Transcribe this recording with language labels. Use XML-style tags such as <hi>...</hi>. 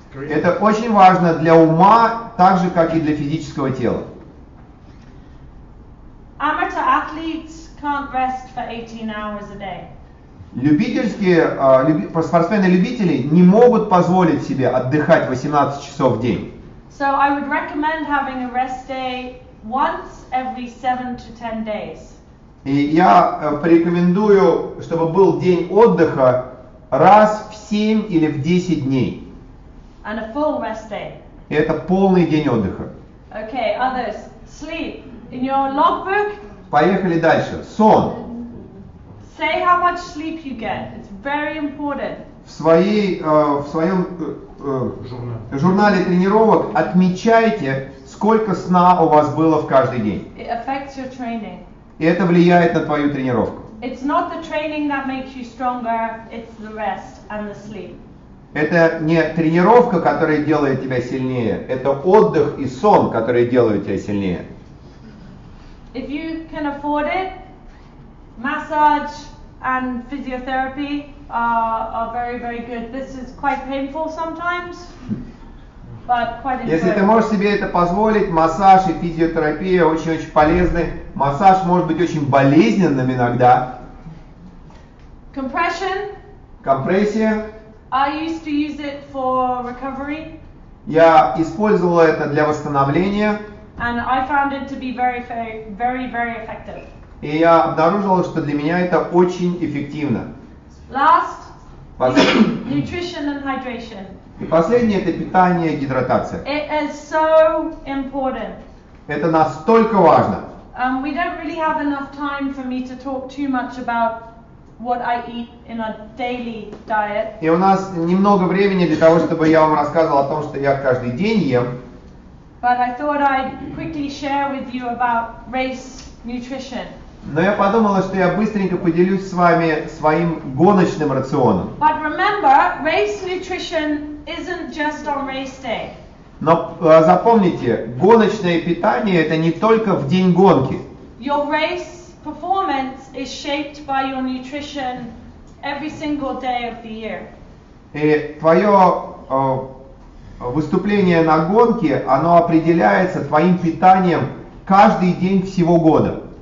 <ru>Это очень важно для ума, так же как и для физического тела.</ru> <en>Amateur athletes can't rest for 18 hours a day.</en> <ru>Спортсмены-любители не могут позволить себе отдыхать 18 часов в день.</ru> <en>So I would recommend having a rest day once every 7 to 10 days.</en> <ru>И я порекомендую, чтобы был день отдыха раз в 7 или в 10 дней.</ru> <en>And a full rest day.</en> <ru>И это полный день отдыха.</ru> <en>Okay, others. Sleep. In your logbook.</en> <ru>Поехали дальше. Сон.</ru> <en>Say how much sleep you get. It's very important.</en> <ru>В своем журнале тренировок отмечайте, сколько сна у вас было в каждый день.</ru> <en>It affects your training.</en> <ru>И это влияет на твою тренировку.</ru> <en>It's not the training that makes you stronger, it's the rest and the sleep.</en> <ru>Это не тренировка, которая делает тебя сильнее, это отдых и сон, которые делают тебя сильнее.</ru> <en>If you can afford it, massage and physiotherapy are very, very good. This is quite painful sometimes, but quite enjoyable.</en> <ru>Если ты можешь себе это позволить, массаж и физиотерапия очень-очень полезны. Массаж может быть очень болезненным иногда.</ru> <en>Compression.</en> <ru>Компрессия.</ru> <en>I used to use it for recovery.</en> <ru>Я использовала это для восстановления.</ru> <en>And I found it to be very, very, very, very effective.</en> <ru>И я обнаружила, что для меня это очень эффективно.</ru> <en>Last, nutrition and hydration.</en> <ru>И последнее – это питание и гидратация.</ru> <en>It is so important.</en> <ru>Это настолько важно.</ru> <en>We don't really have enough time for me to talk too much about what I eat in a daily diet.</en> <ru>И у нас немного времени для того, чтобы я вам рассказывал о том, что я каждый день ем.</ru> <en>But I thought I'd quickly share with you about race nutrition.</en> <ru>Но я подумала, что я быстренько поделюсь с вами своим гоночным рационом.</ru> <en>But remember, race nutrition isn't just on race day.</en> <ru>Но запомните, гоночное питание — это не только в день гонки.</ru> <en>Your race performance is shaped by your nutrition every single day of the year.</en> <ru>И твое выступление на гонке, оно определяется твоим питанием каждый день всего года.</ru>